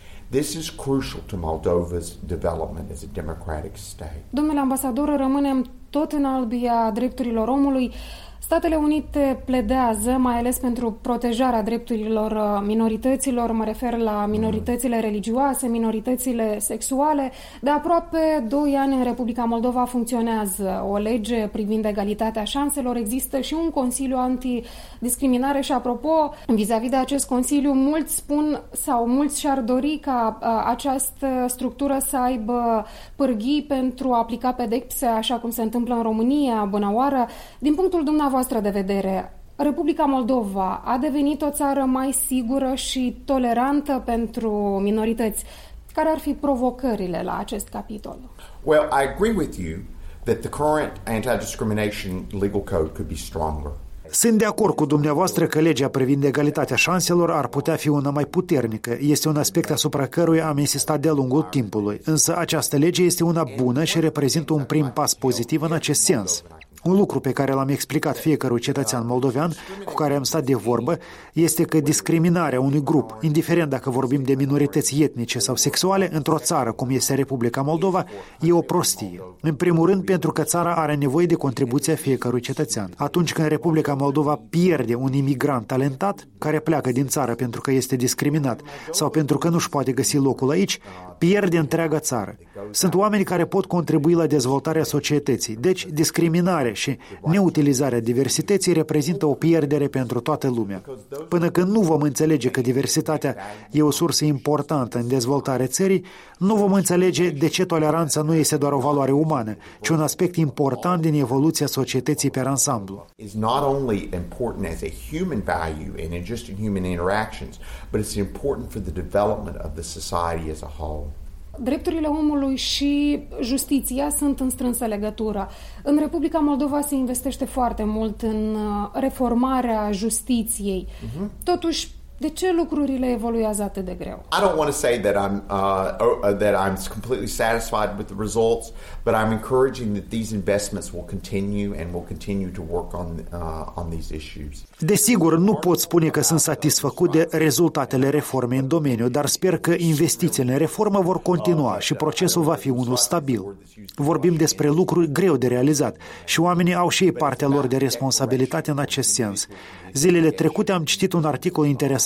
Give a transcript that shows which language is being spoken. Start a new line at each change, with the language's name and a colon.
English: This is crucial to Moldova's development as a democratic state.
Romanian: Domnule ambasador, rămânem tot în albia drepturilor omului. Statele Unite pledează mai ales pentru protejarea drepturilor minorităților, mă refer la minoritățile religioase, minoritățile sexuale. De aproape 2 ani în Republica Moldova funcționează o lege privind egalitatea șanselor. Există și un consiliu antidiscriminare și, apropo, vis-a-vis de acest consiliu, mulți spun sau mulți și-ar dori ca această structură să aibă pârghii pentru a aplica pedepse, așa cum se întâmplă în România, bună oară. Din punctul dumneavoastră de vedere, Republica Moldova a devenit o țară mai sigură și tolerantă pentru minorități. Care ar fi provocările la acest capitol?
English: Well, I agree with you that the current anti-discrimination legal code could be stronger.
Romanian: Sunt de acord cu dumneavoastră că legea privind egalitatea șanselor ar putea fi una mai puternică. Este un aspect asupra căruia am insistat de-a lungul timpului. Însă această lege este una bună și reprezintă un prim pas pozitiv în acest sens. Un lucru pe care l-am explicat fiecărui cetățean moldovean cu care am stat de vorbă este că discriminarea unui grup, indiferent dacă vorbim de minorități etnice sau sexuale, într-o țară cum este Republica Moldova, e o prostie. În primul rând, pentru că țara are nevoie de contribuția fiecărui cetățean. Atunci când Republica Moldova pierde un imigrant talentat care pleacă din țară pentru că este discriminat sau pentru că nu-și poate găsi locul aici, pierde întreaga țară. Sunt oameni care pot contribui la dezvoltarea societății, deci discriminarea și neutilizarea diversității reprezintă o pierdere pentru toată lumea. Până când nu vom înțelege că diversitatea e o sursă importantă în dezvoltarea țării, nu vom înțelege de ce toleranța nu este doar o valoare umană, ci un aspect important din evoluția societății pe ansamblu.
English: It's not only important as a human value and in just in human interactions, but it's important for the development of the society as a whole.
Romanian: Drepturile omului și justiția sunt în strânsă legătură. În Republica Moldova se investește foarte mult în reformarea justiției. Totuși, de ce lucrurile evoluează atât de greu?
English: I don't want to say that I'm completely satisfied with the results, but I'm encouraging that these investments will continue and will continue to work on these issues.
Romanian: Desigur, nu pot spune că sunt satisfăcut de rezultatele reformei în domeniu, dar sper că investițiile în reformă vor continua și procesul va fi unul stabil. Vorbim despre lucruri greu de realizat și oamenii au și ei partea lor de responsabilitate în acest sens. Zilele trecute am citit un articol interesant